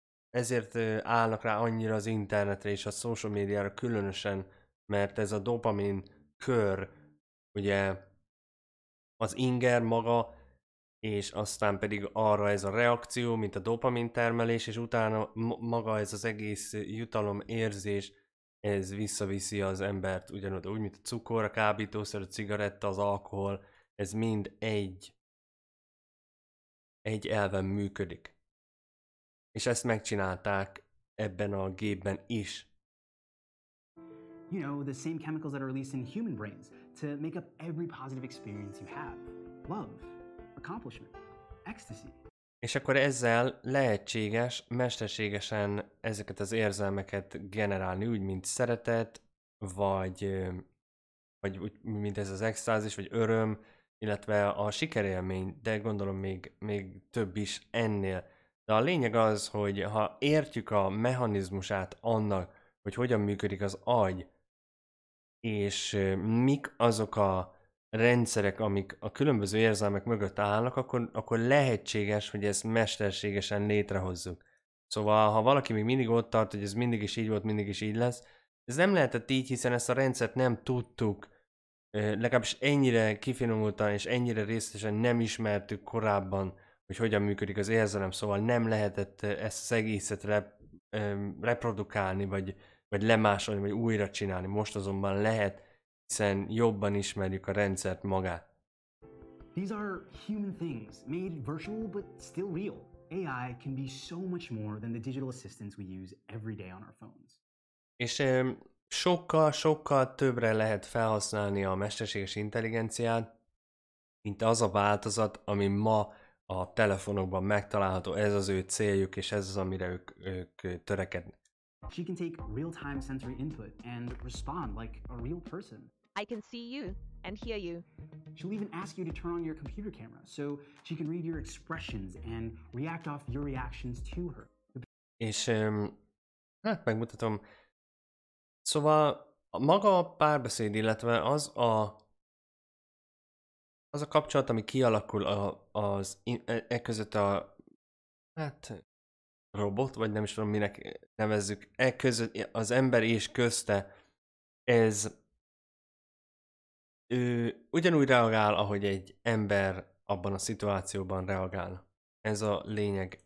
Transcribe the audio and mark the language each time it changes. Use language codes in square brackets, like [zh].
[hu] ezért állnak rá annyira az internetre és a social médiára különösen, mert ez a dopamin kör, ugye az inger maga, és aztán pedig arra ez a reakció, mint a dopamin termelés, és utána maga ez az egész jutalom érzés, ez visszaviszi az embert ugyanoda, úgy, mint a cukor, a kábítószer, a cigaretta, az alkohol, ez mind egy elven működik. És ezt megcsinálták ebben a gépben is. [en] You know, the same chemicals that are released in human brains to make up every positive experience you have. Love, accomplishment, ecstasy. [hu] És akkor ezzel lehetséges mesterségesen ezeket az érzelmeket generálni, úgy, mint szeretet, vagy úgy, mint ez az extázis, vagy öröm, illetve a sikerélmény, de gondolom még több is ennél. De a lényeg az, hogy ha értjük a mechanizmusát annak, hogy hogyan működik az agy, és mik azok a rendszerek, amik a különböző érzelmek mögött állnak, akkor lehetséges, hogy ezt mesterségesen létrehozzuk. Szóval, ha valaki még mindig ott tart, hogy ez mindig is így volt, mindig is így lesz, ez nem lehetett így, hiszen ezt a rendszert nem tudtuk, legalábbis ennyire kifinomultan és ennyire részletesen nem ismertük korábban, hogy hogyan működik az érzelem, szóval nem lehetett ezt az egészet reprodukálni, vagy lemásolni, vagy újra csinálni. Most azonban lehet, hiszen jobban ismerjük a rendszert magát. [en] These are human things, made virtual but still real. AI can be so much more than the digital assistants we use every day on our phones. [hu] És sokkal többre lehet felhasználni a mesterséges intelligenciát, mint az a változat, ami ma a telefonokban megtalálható. Ez az ő céljuk, és ez az, amire ők törekednek. [en] She can take real-time sensory input and respond like a real person. I can see you and hear you. She'll even ask you to turn on your computer camera so she can read your expressions and react off your reactions to her. [hu] És megmutatom. Szóval maga a párbeszéd, illetve az a kapcsolat, ami kialakul e között robot, vagy nem is tudom, minek nevezzük, e között, az ember és közte, ez ugyanúgy reagál, ahogy egy ember abban a szituációban reagál. Ez a lényeg.